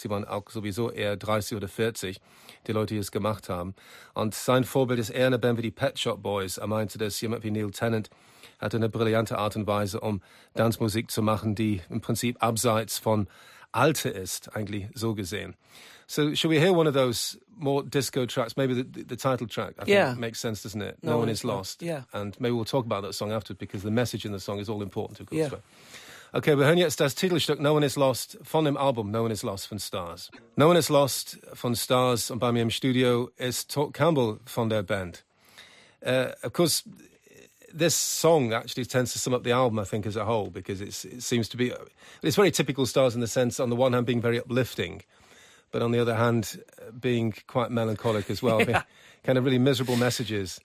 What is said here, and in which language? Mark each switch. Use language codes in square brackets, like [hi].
[de] Sie waren auch sowieso eher 30 oder 40, die Leute, die es gemacht haben. Und sein Vorbild ist eher eine Band wie die Pet Shop Boys. Er meinte, dass jemand wie Neil Tennant hatte eine brillante Art und Weise, um Tanzmusik zu machen, die im Prinzip abseits von Alte ist, eigentlich so gesehen. [en] So, should we hear one of those more disco tracks? Maybe the title track, I think, makes sense, doesn't it? No One Is Lost. Yeah. And maybe we'll talk about that song after, because the message in the song is all important, of course. Yeah. [de] Okay, wir hören jetzt das Titelstück No One Is Lost von dem Album No One Is Lost von Stars. No One Is Lost von Stars, und bei mir im Studio ist Todd Campbell von der Band. [en] Of course, this song actually tends to sum up the album, I think, as a whole, because it seems to be... It's very typical Stars in the sense, on the one hand, being very uplifting, but on the other hand, being quite melancholic as well. Yeah. Kind of really miserable messages.